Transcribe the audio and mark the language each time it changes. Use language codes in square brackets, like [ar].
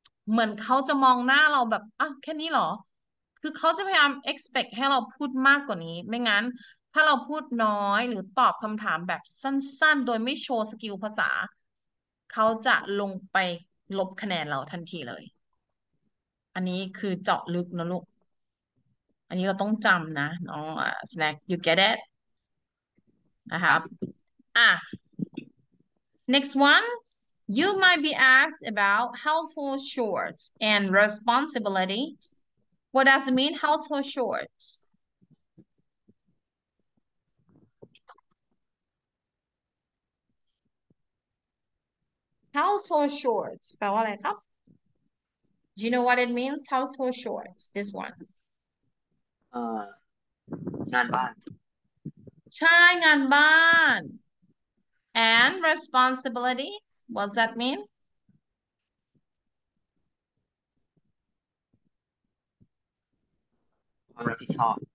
[th] เหมือนเขาจะมองหน้าเราแบบอ่ะแค่นี้หรอคือเขาจะพยายาม expect ให้เราพูดมากกว่านี้ไม่งั้นถ้าเราพูดน้อยหรือตอบคำถามแบบสั้นๆโดยไม่โชว์สกิลภาษาเขาจะลงไปลบคะแนนเราทันทีเลยอันนี้คือเจาะลึกนะลูกอันนี้เราต้องจำนะน้องสแน็ค [en] you get it [th] นะครับ [en] next one You might be asked about household chores and responsibilities. What does it mean, household chores? Household chores, [th] แปลว่าอะไรครับ? [en] Do you know what it means, household chores? This one. [th] งานบ้าน ใช่งานบ้าน [en] and responsibilities. What does that mean? [th] ความรับผิดชอบ